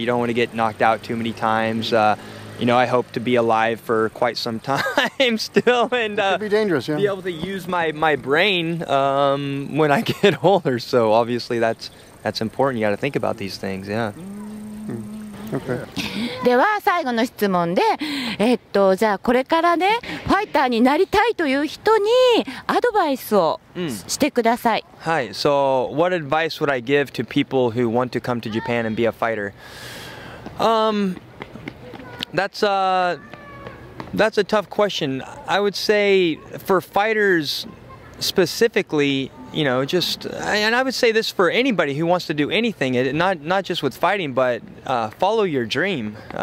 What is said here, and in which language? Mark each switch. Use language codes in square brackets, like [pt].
[en] You don't want to get knocked out too many times. You know, I hope to be alive for quite some time still, and it could be dangerous, be able to use my brain when I get older. So obviously, that's important. You got to think about these things. Yeah. [ja] では最後の質問で、じゃあこれからねファイターになりたいという人にアドバイスをしてください。はい、 [en] So what advice would I give to people who want to come to Japan and be a fighter? That's a tough question. I would say for fighters specifically, you know, just, and I would say this for anybody who wants to do anything, not just with fighting, but follow your dream.